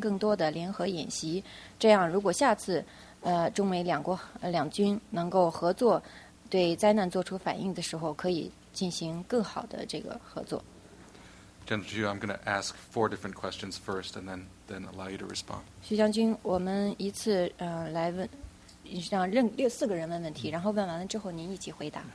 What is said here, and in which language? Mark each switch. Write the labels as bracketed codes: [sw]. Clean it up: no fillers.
[zh] 徐将军您好，我是国际站，我的研究方向是国际政策。我是一个海军退役军官，我想您刚才提到了中美两军关系和两军在救灾领域的合作，您是否同意我们应该在海军这一领域，就是两国海军在救灾领域进行更多的合作，比如说在一起进行更多的联合演习，这样如果下次 中美两国两军能够合作，对灾难做出反应的时候，可以进行更好的这个合作。 [en] General Hsu, I'm going to ask four different questions first, and then allow you to respond. [zh] 徐将军，我们一次来问，让四个人问问题，然后问完了之后您一起回答。